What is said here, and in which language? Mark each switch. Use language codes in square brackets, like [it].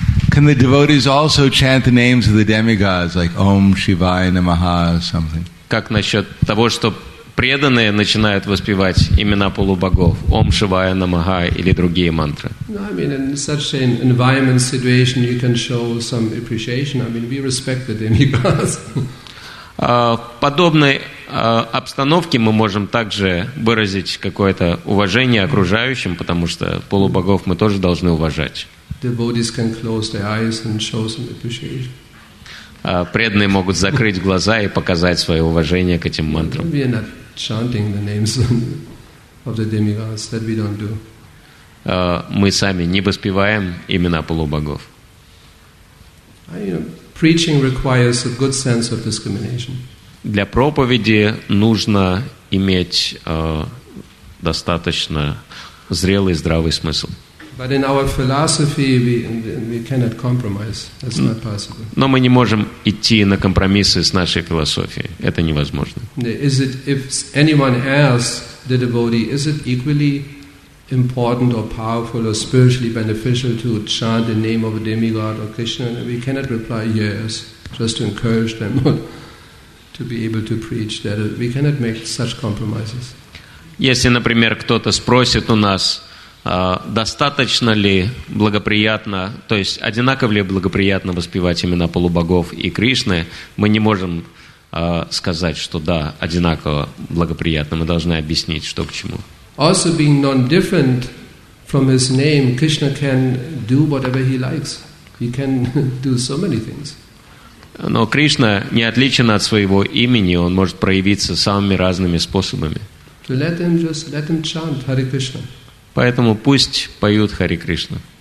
[en] Can the devotees also chant the names of the demigods, like Om Shivaya Namaha or something? [ru] Как насчет того, что преданные начинают воспевать имена полубогов, Ом Шивая Намаха или другие мантры? [en] No, I mean, in such an environment situation, you can show some appreciation. I mean, we respect the demigods. [ru] Подобной обстановке мы можем также выразить какое-то уважение окружающим, потому что полубогов мы тоже должны уважать. [en] Devotees can close their eyes and show some appreciation. [ru] Преданные могут закрыть глаза и показать свое уважение к этим мантрам. [en] We are not chanting the names of the demigods, that we don't do. [ru] Мы сами не воспеваем имена полубогов. [en] Preaching requires a good sense of discrimination. [ru] Для проповеди нужно иметь достаточно зрелый, здравый смысл. [en] But in our philosophy we cannot compromise. That's not possible. [ru] Но мы не можем идти на компромиссы с нашей философией. Это невозможно. [en] Is it, if anyone else, the devotee, is it equally important or powerful or spiritually beneficial to chant the name of a demigod or Krishna? We cannot reply yes, just to encourage them to be able to preach that. We cannot make such compromises. [ru] Если, например, кто-то спросит у нас, достаточно ли благоприятно, то есть одинаково ли благоприятно воспевать имена полубогов и Кришны, мы не можем сказать, что да, одинаково благоприятно. Мы должны объяснить, что к чему. [en] Also being non-different from his name, Krishna can do whatever he likes. He can do so many things. [ru] Но Кришна не отличен от своего имени, он может проявиться самыми разными способами. [en] So let them just let them chant Hare Krishna. [ru] Поэтому пусть поют Хари Кришна.